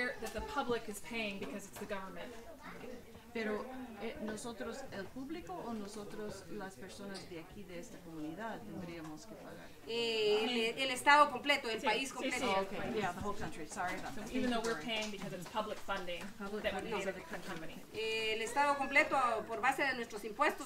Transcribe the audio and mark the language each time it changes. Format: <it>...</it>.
<en>the public is paying because it's the government.</en> <es>Pero nosotros, el público, o nosotros, las personas de aquí, de esta comunidad, tendríamos que pagar. El Estado completo, el país completo. Sí, sí.</es> <en>Oh, okay. Yeah, the whole country. Sorry about that. So even though we're paying because it's public funding, the company.</en> <es>El Estado completo, por base de nuestros impuestos,</es>